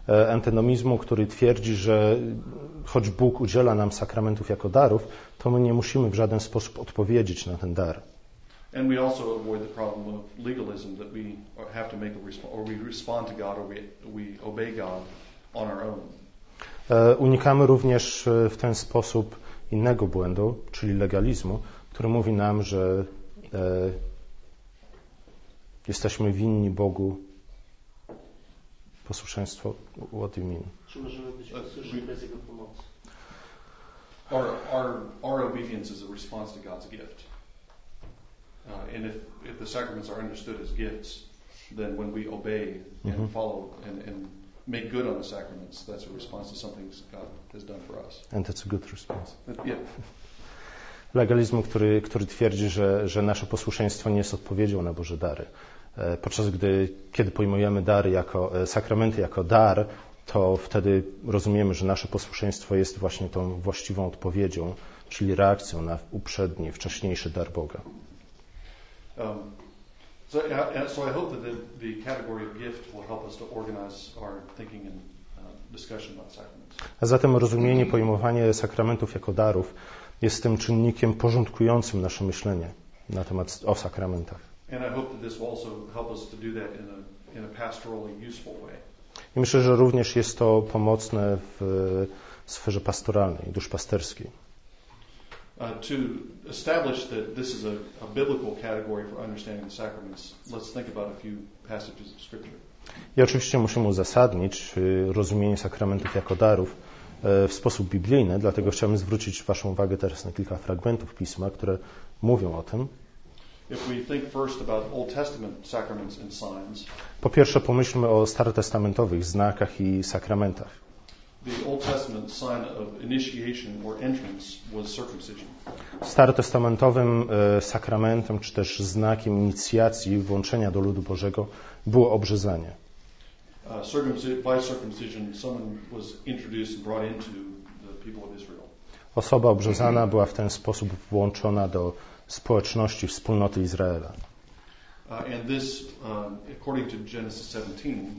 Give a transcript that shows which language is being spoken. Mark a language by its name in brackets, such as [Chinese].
[Polish] Antynomizmu, który twierdzi, że choć Bóg udziela nam sakramentów jako darów, to my nie musimy w żaden sposób odpowiedzieć na ten dar. [English] And we also avoid the problem of legalism that we have to make a response, or we respond to God, or we obey God on our own. [Polish] Unikamy również w ten sposób innego błędu, czyli legalizmu, który mówi nam, że jesteśmy winni Bogu posłuszeństwo. [English] What do you mean? [Polish] Czy możemy być posłuszni bez Jego pomocy? [English] Our obedience is a response to God's gift. And if the sacraments are understood as gifts, then when we obey and follow and make good on the sacraments, that's a response to something God has done for us. And that's a good response. Yeah. [Polish] Legalizm, który twierdzi, że nasze posłuszeństwo nie jest odpowiedzią na Boże dary. Podczas gdy, kiedy pojmujemy dary jako sakramenty jako dar, to wtedy rozumiemy, że nasze posłuszeństwo jest właśnie tą właściwą odpowiedzią, czyli reakcją na uprzedni, wcześniejszy dar Boga. [English] So I hope that the category of gift will help us to organize our thinking and discussion about sacraments. [Polish] A zatem rozumienie, pojmowanie sakramentów jako darów jest tym czynnikiem porządkującym nasze myślenie na temat o sakramentach. [English] And I hope that this will also help us to do that in a pastorally useful way. [Polish] I myślę, że również jest to pomocne w sferze pastoralnej, duszpasterskiej. [English] To establish that this is a biblical category for understanding the sacraments, let's think about a few passages of scripture. [Polish] I oczywiście musimy uzasadnić rozumienie sakramentów jako darów w sposób biblijny, dlatego chciałbym zwrócić Waszą uwagę teraz na kilka fragmentów Pisma, które mówią o tym. [English] If we think first about Old Testament sacraments and signs, [Polish] po pierwsze pomyślmy o starotestamentowych znakach i sakramentach. [English] The Old Testament sign of initiation or entrance was circumcision. [Polish] Starotestamentowym sakramentem czy też znakiem inicjacji, włączenia do ludu Bożego było obrzezanie. [English] By circumcision someone was introduced and brought into the people of Israel. [Polish] Osoba obrzezana była w ten sposób włączona do społeczności, wspólnoty Izraela. [English] And this according to Genesis 17.